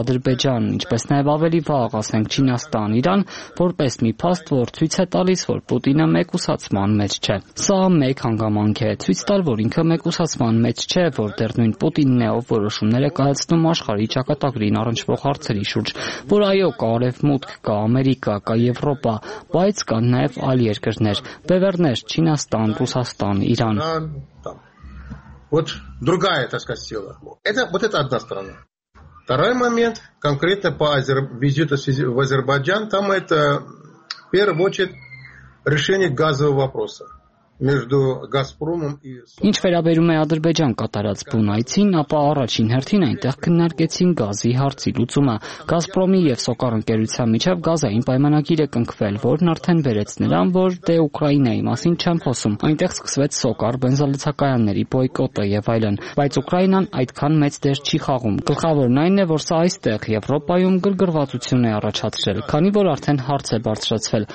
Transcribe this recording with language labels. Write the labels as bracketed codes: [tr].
[hy] Ադրբեջանն, ինչպես նաև ավելի վաղ, ասենք Չինաստան, Իրան, որպես մի փաստ, որ ցույց է տալիս, որ Պուտինը մեկուսացման մեջ չէ։ Սա մեկ հանգամանք է, ցույց տալ, որ ինքը մեկուսացման մեջ չէ, որ դեռ նույն Պուտինն է, ով որոշումները կայացնում աշխարհի ճակատագրին առնչվող հարցերի շուրջ, որ այո, կա Արևմուտք, կա Ամերիկա, կա Եվրոպա, բայց կան նաև այլ երկրներ, բևեռներ, Չինաստան, Ռուսաստան, Իրան։ [ru] Вот другая, так сказать, сила. Это вот это одна сторона. Второй момент, конкретно по визиту в Азербайджан, там это, в первую очередь, решение газового вопроса. [hy] Ինչ վերաբերում է Ադրբեջան կատարած բունայցին, ապա առաջին հերթին այնտեղ քննարկեցին գազի հարցի լուծումը։ Գազպրոմի եւ Սոկար ընկերության միջև գազային պայմանագիր է կնքվել, որն արդեն վերեց նրան, որ դե Ուկրաինայի մասին չեմ խոսում։ Այնտեղ սկսվեց Սոկար բենզոլիցակայանների բոյկոտը եւ այլն, բայց Ուկրաինան այդքան մեծ դեր չի խաղում։ Գլխավորն այն է, որ սա այստեղ Եվրոպայում գրգռվածություն է առաջացրել, քանի որ արդեն հարց է բարձրացվել.